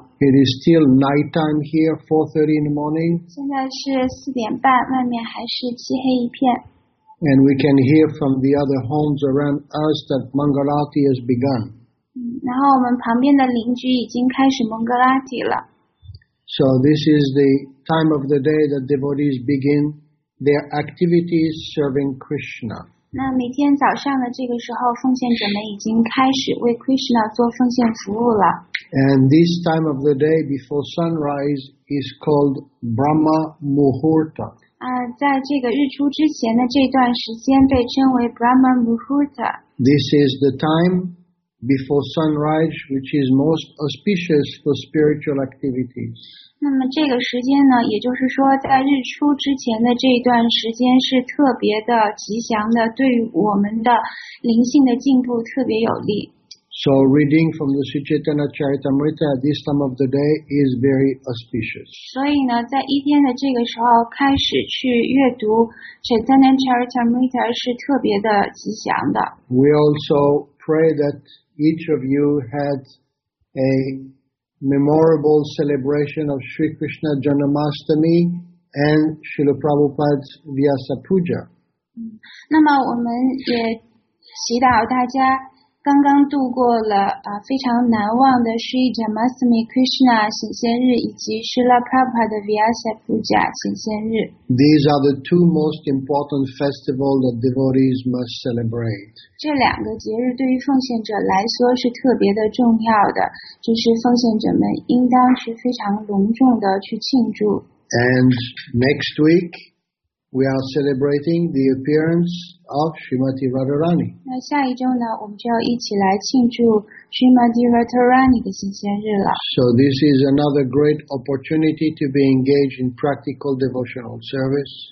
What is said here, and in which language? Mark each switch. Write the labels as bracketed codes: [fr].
[en] It is still night time here 4:30 in the morning [zh] 现在是四点半外面还是漆黑一片 [en] And we can hear from the other homes around us that Mangalati has begun [zh] 然后我们旁边的邻居已经开始蒙格拉提了 [en] So this is the time of the day that devotees beginTheir activities serving Krishna. [zh] 那每天早上的这个时候，奉献者们已经开始为 Krishna 做奉献服务了。 [en] And this time of the day before sunrise is called Brahma Muhurta. [zh] 在这个日出之前的这段时间被称为 Brahma Muhurta. [en] This is the time before sunrise, which is most auspicious for spiritual activities. [zh] 那么这个时间呢，也就是说，在日出之前的这一段时间是特别的吉祥的，对于我们的灵性的进步特别有利。 [en] So reading from the Sri Chaitanya Charitamrita at this time of the day is very auspicious. [zh] 所以呢，在一天的这个时候开始去阅读 Chaitanya Charitamrita 是特别的吉祥的。 [en] We also pray that each of you had a memorable celebration of Sri Krishna Janamashtami and Srila Prabhupada's Vyasa Puja. [zh] 那么我们也祈祷大家刚刚度过了非常难忘的 Sri Janamashtami Krishna 显现日以及 Srila Prabhupada Vyasa Puja 显现日。 [en] These are the two most important festivals that devotees must celebrate. [zh] 这两个节日对于奉献者来说是特别的重要的，就是奉献者们应当是非常隆重的去庆祝。 [en] And next week,We are celebrating the appearance of Srimati Radharani. [zh] 那下一周呢，我们就要一起来庆祝 Srimati Radharani 的显现日了。 [en] So this is another great opportunity to be engaged in practical devotional service.